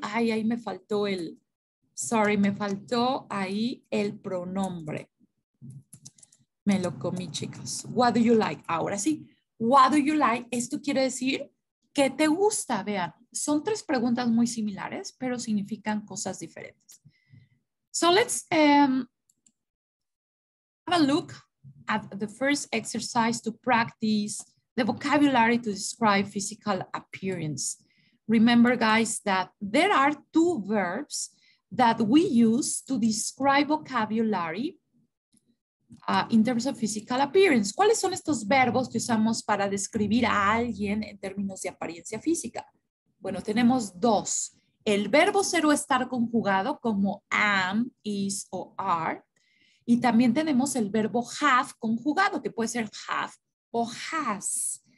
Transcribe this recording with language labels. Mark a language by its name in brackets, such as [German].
[Spanish] ahí me faltó el... Sorry, me faltó ahí el pronombre. Me lo comí, chicos. [English] What do you like? [Spanish] Ahora sí. [English] What do you like? [Spanish] Esto quiere decir, ¿qué te gusta? Vean, son tres preguntas muy similares, pero significan cosas diferentes. [English] So let's have a look at the first exercise to practice the vocabulary to describe physical appearance. Remember, guys, that there are two verbs that we use to describe vocabulary in terms of physical appearance. [Spanish] ¿Cuáles son estos verbos que usamos para describir a alguien en términos de apariencia física? Bueno, tenemos dos. El verbo ser o estar conjugado como am, is o are. Y también tenemos el verbo have conjugado, que puede ser have o has.